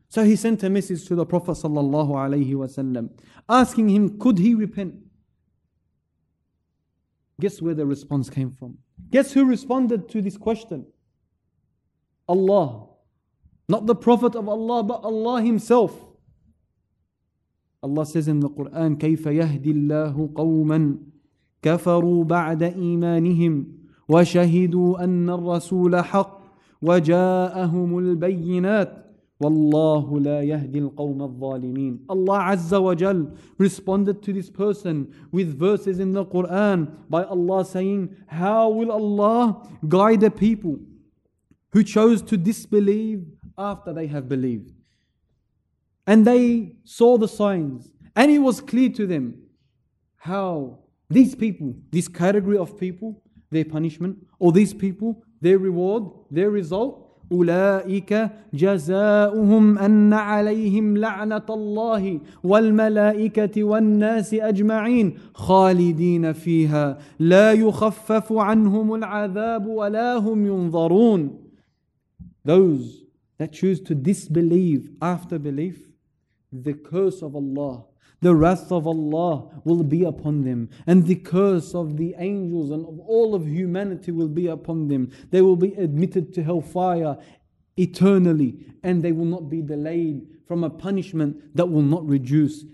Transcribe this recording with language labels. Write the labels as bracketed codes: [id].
[en] So he sent a message to the Prophet sallallahu alayhi wasallam, asking him, could he repent? Guess where the response came from? Guess who responded to this question? Allah. Not the Prophet of Allah, but Allah himself. Allah says in the Quran, [ar] كَيْفَ يَهْدِ اللَّهُ قَوْمًا كَفَرُوا بَعْدَ إِيمَانِهِمْ وَشَهِدُوا أَنَّ الرَّسُولَ حَقٌّ وَجَاءَهُمُ الْبَيِّنَاتِ والله لا يهدي القوم الظالمين. [en] Allah Azza wa Jal responded to this person with verses in the Quran by Allah saying, how will Allah guide a people who chose to disbelieve after they have believed? And they saw the signs and it was clear to them how these people, this category of people, their punishment, or these people, their reward, their result. [ar] أولئك جزاؤهم أن عليهم لعنة الله والملائكة والناس أجمعين خالدين فيها لا يخفف عنهم العذاب ولا هم ينظرون. [en] Those that choose to disbelieve after belief, the curse of Allah, the wrath of Allah will be upon them, and the curse of the angels and of all of humanity will be upon them. They will be admitted to hellfire eternally, and they will not be delayed from a punishment that will not reduce.